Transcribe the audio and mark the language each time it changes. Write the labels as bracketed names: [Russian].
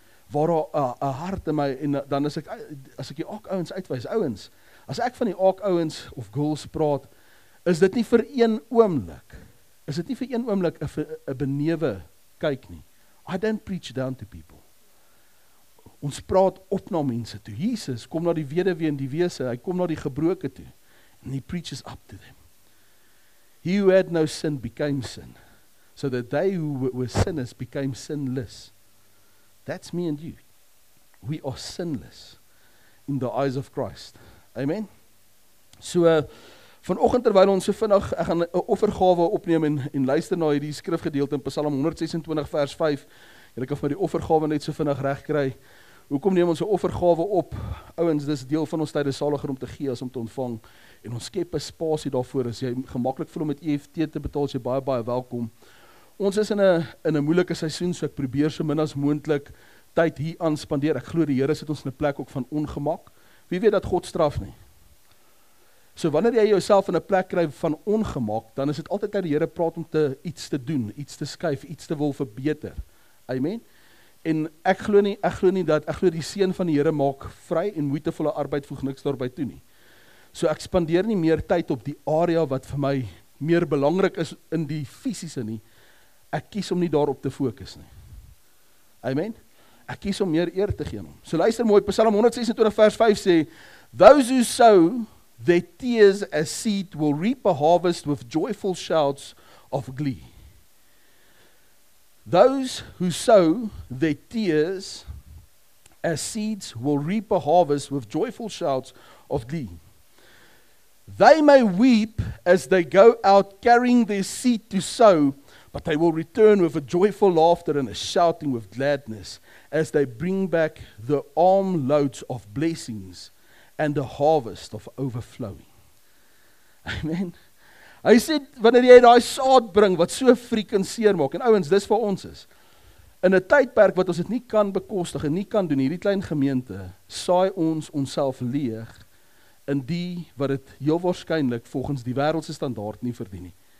[Afrikaans] Waar 'n hart in my, en dan as ek die ook ouens uitwys, ouens, as ek van die ook ouens of girls praat, is dit nie vir een oomblik, is dit nie vir een oomblik 'n benewe kyk nie. [English] I don't preach down to people. [Afrikaans] Ons praat op na mense toe. Jesus kom na die weduwee en die wese, hy kom na die gebroke toe. [English] And he preaches up to them. He who had no sin became sin, so that they who were sinners became sinless. That's me and you. We are sinless in the eyes of Christ. Amen. [Afrikaans] So vanoggend terwyl ons so vinnig, ek gaan 'n offergawe opneem en luister na hierdie skrifgedeelte in Psalm 126 vers 5. Julle kan vir die offergawe net so vinnig regkry. Hoekom neem ons 'n offergawe op? Ouens, dis deel van ons tyd is saliger om te gee as om te ontvang. En ons skep 'n spasie daarvoor. As jy gemaklik voel om met EFT te betaal, is jy baie baie welkom. Ons is in 'n moeilike seisoen, so ek probeer so min as moontlik tyd hier aan spandeer. Ek glo die Here sit ons in 'n plek ook van ongemak. Wie weet dat God straf nie? So wanneer jy jouself in 'n plek kry van ongemak, dan is dit altyd dat die Here praat om iets te doen, iets te skuif, iets te wil verbeter. Amen. En ek glo die seën van die Here maak vry en moeitevolle arbeid voeg niks daarby toe nie. So ek spandeer nie meer tyd op die area wat vir my meer belangrik is in die fisiese nie. Ek kies om nie daarop te fokus nie. Amen. Ek kies om meer eer te gee aan hom. So luister mooi, Psalm 126 vers 5 sê, [English] "Those who sow their tears as seed will reap a harvest with joyful shouts of glee." Those who sow their tears as seeds will reap a harvest with joyful shouts of glee. They may weep as they go out carrying their seed to sow, but they will return with a joyful laughter and a shouting with gladness as they bring back the armloads of blessings and the harvest of overflowing. Amen. [Afrikaans] Hy sê, wanneer jy daai saad bring, wat so freaking seer maak, en ouens, dis vir ons is, in 'n tydperk wat ons dit nie kan bekostig en nie kan doen, hierdie klein gemeente, saai ons onsself leeg in die wat het heel waarskynlik volgens die wereldse standaard nie verdien nie.